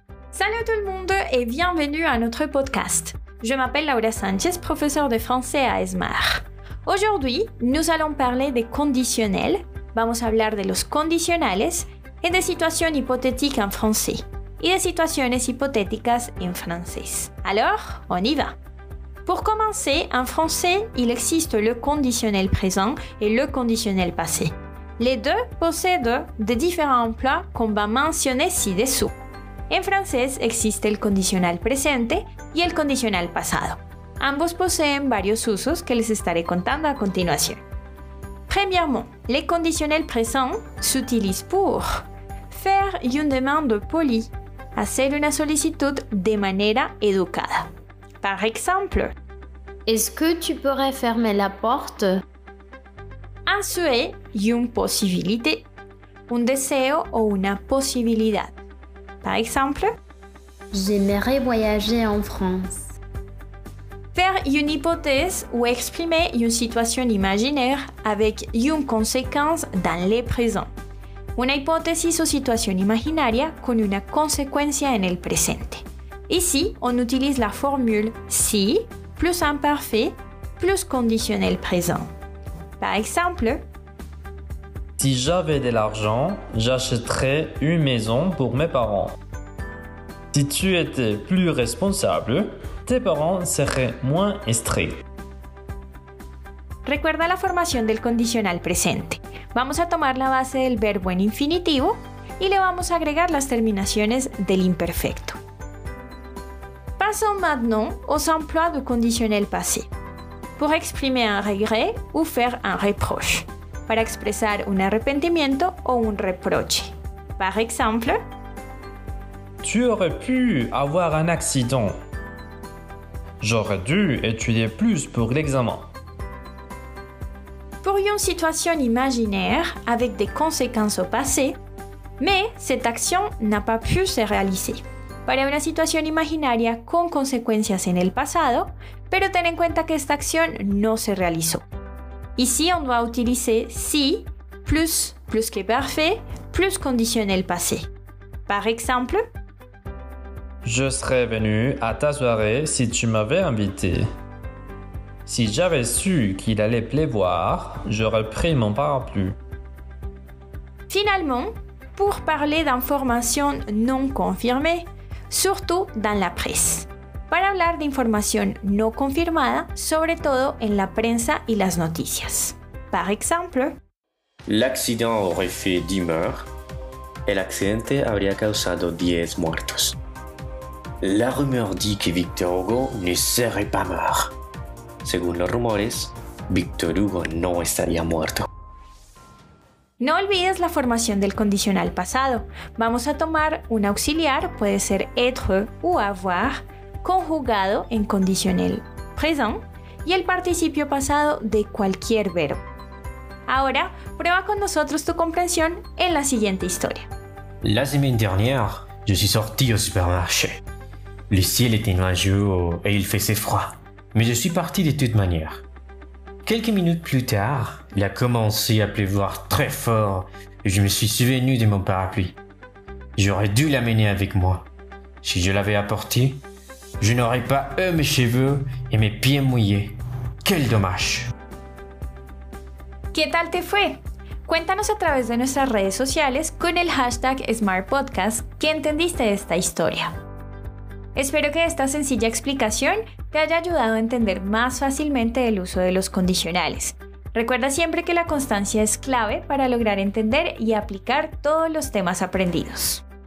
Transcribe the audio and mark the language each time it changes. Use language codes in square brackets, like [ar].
[fr] Salut tout le monde et bienvenue à notre podcast. Je m'appelle Laura Sanchez, professeure de français à Smart. Aujourd'hui, nous allons parler des conditionnels. [es] Vamos a hablar de los condicionales y de situación hipotética en francés y de situaciones hipotéticas en francés. [fr] Alors, on y va. Pour commencer, en français, il existe le conditionnel présent et le conditionnel passé. Les deux possèdent de différents emplois qu'on va mentionner ci-dessous. [es] En francés, existe el condicional presente y el condicional pasado. Ambos poseen varios usos que les estaré contando a continuación. [fr] Premièrement, les conditionnels présents s'utilisent pour faire une demande polie, [es] hacer una solicitud de manera educada. [fr] Par exemple, est-ce que tu pourrais fermer la porte? Un souhait y une possibilité, [es] un deseo o una posibilidad. [fr] Par exemple, j'aimerais voyager en France. Faire une hypothèse ou exprimer une situation imaginaire avec une conséquence dans le présent. [es] Una hipótesis o situación imaginaria con una consecuencia en el presente. [fr] Ici, on utilise la formule si plus imparfait plus conditionnel présent. Par exemple, si j'avais de l'argent, j'achèterais une maison pour mes parents. Si tu étais plus responsable, tes parents seraient moins stricts. [es] Recuerda la formación del condicional presente. Vamos a tomar la base del verbo en infinitivo y le vamos a agregar las terminaciones del imperfecto. [fr] Passons maintenant aux emplois du conditionnel passé. Pour exprimer un regret ou faire un reproche. [es] Para expresar un arrepentimiento o un reproche. [fr] Par exemple, tu aurais pu avoir un accident. J'aurais dû étudier plus pour l'examen. Pour une situation imaginaire avec des conséquences au passé, mais cette action n'a pas pu se réaliser. [es] Para una situación imaginaria con consecuencias en el pasado, pero ten en cuenta que esta acción no se realizó. [fr] Ici, on doit utiliser si plus que parfait plus conditionnel passé. Par exemple, je serais venu à ta soirée si tu m'avais invité. Si j'avais su qu'il allait pleuvoir, j'aurais pris mon parapluie. Finalement, pour parler d'informations non confirmées, surtout dans la presse. [es] Para hablar de información no confirmada, sobre todo en la prensa y las noticias. [fr] Par exemple, l'accident aurait fait 10 morts. [es] El accidente habría causado 10 muertos. [fr] La rumeur dit que Victor Hugo ne serait pas mort. [es] Según los rumores, Victor Hugo no estaría muerto. No olvides la formación del condicional pasado. Vamos a tomar un auxiliar, puede ser être o avoir, conjugado en condicionel présent y el participio pasado de cualquier verbo. Ahora, prueba con nosotros tu comprensión en la siguiente historia. [fr] La semaine dernière, je suis sorti au supermarché. Le ciel était nuageux et il faisait froid. Mais je suis parti de toute manière. Quelques minutes plus tard, il a commencé à pleuvoir très fort et je me suis souvenu de mon parapluie. J'aurais dû l'amener avec moi. Si je l'avais apporté, je n'aurais pas eu mes cheveux et mes pieds mouillés. Quel dommage! [es] ¿Qué tal te fue? Cuéntanos a través de nuestras redes sociales con el hashtag SmartPodcast qué entendiste de esta historia. Espero que esta sencilla explicación te haya ayudado a entender más fácilmente el uso de los condicionales. Recuerda siempre que la constancia es clave para lograr entender y aplicar todos los temas aprendidos.